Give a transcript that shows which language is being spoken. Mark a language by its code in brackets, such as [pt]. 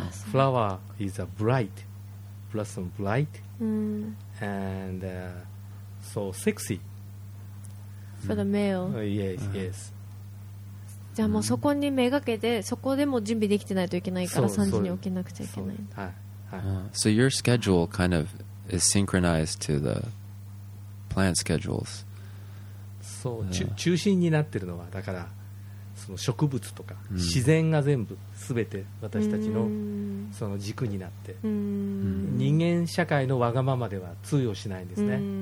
[en] Flower is a bright, blossom bright, and so sexy for the male. Yes, yes. [ja] じゃあもうそこに目がけてそこでも準備できてないといけないから3時に起きなくちゃいけない。はい。 [en] So your schedule kind of is synchronized to the plant schedules. [ja] So, 中心になってるのはだからその植物とか自然が全部すべて私たちのその軸になって、人間社会のわがままでは通用しないんですね。